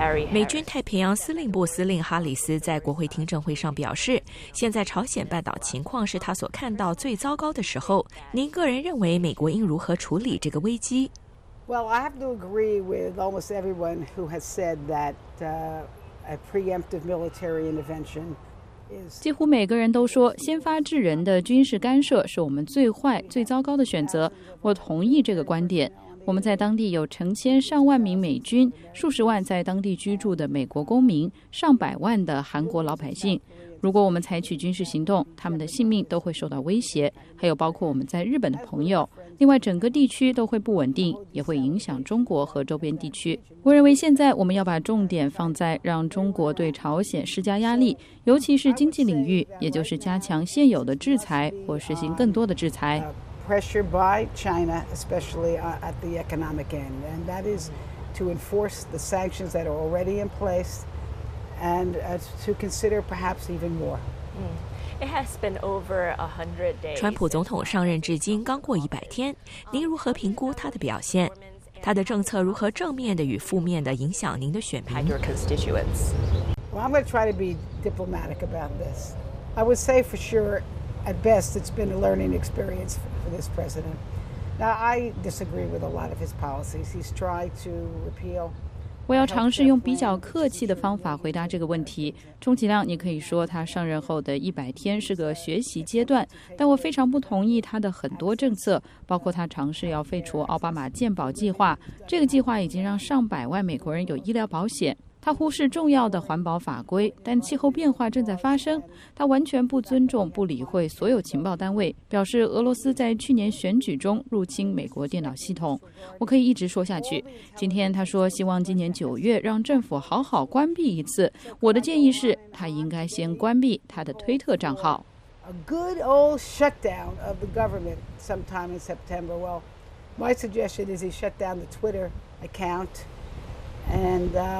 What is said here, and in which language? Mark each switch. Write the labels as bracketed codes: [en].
[zh] 美军太平洋司令部司令哈里斯在国会听证会上表示，现在朝鲜半岛情况是他所看到最糟糕的时候。您个人认为美国应如何处理这个危机？ [en] Well, I have to agree with almost everyone who has said that a preemptive military intervention is. [zh] 几乎每个人都说，先发制人的军事干涉是我们最坏、最糟糕的选择。我同意这个观点。我们在当地有成千上万名美军，数十万在当地居住的美国公民，上百万的韩国老百姓。如果我们采取军事行动，他们的性命都会受到威胁，还有包括我们在日本的朋友。另外，整个地区都会不稳定，也会影响中国和周边地区。我认为现在我们要把重点放在让中国对朝鲜施加压力，尤其是经济领域，也就是加强现有的制裁或实行更多的制裁。 [en] Pressure by China, especially at the economic end, and that is to enforce the sanctions that are already in place, and to consider perhaps even more. It has been over 100 days. [zh] 川普总统上任至今刚过100天，您如何评估他的表现？他的政策如何正面的与负面的影响您的选民 [en] ？Your constituents. Well, I'm going to try to be diplomatic about this. I would say for sure. At best, it's been a learning experience for this president. Now, I disagree with a lot of his policies. He's tried to repeal. [zh] 我要尝试用比较客气的方法回答这个问题。充其量，你可以说他上任后的一百天是个学习阶段，但我非常不同意他的很多政策，包括他尝试要废除奥巴马健保计划。这个计划已经让上百万美国人有医疗保险。他忽视重要的环保法规，但气候变化正在发生。他完全不尊重、不理会所有情报单位，表示俄罗斯在去年选举中入侵美国电脑系统。我可以一直说下去。今天他说希望今年九月让政府好好关闭一次。我的建议是，他应该先关闭他的推特账号。 [en] A good old shutdown of the government sometime in September. Well, my suggestion is he shut down the Twitter account and.